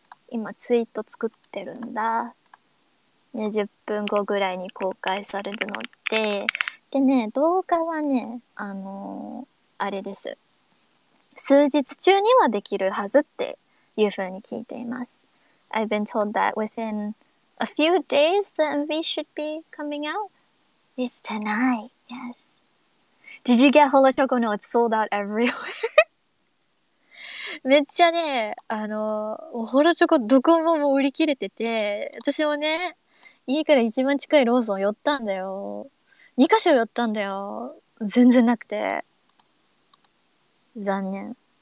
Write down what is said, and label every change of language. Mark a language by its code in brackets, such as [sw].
[ja] 今ツイート作ってるんだ。20分後ぐらいに公開されるので。でね、動画はね、あれです。数日中にはできるはずっていうふうに聞いています。 [en] I've been told that within a few days the MV should be coming out. It's tonight. Yes. Did you get Holochoco? No, it's sold out everywhere. [ja] めっちゃね、Holochoco どこももう売り切れてて、私もね、家から一番近いローソン寄ったんだよ。 2カ所寄ったんだよ。全然なくて。残念。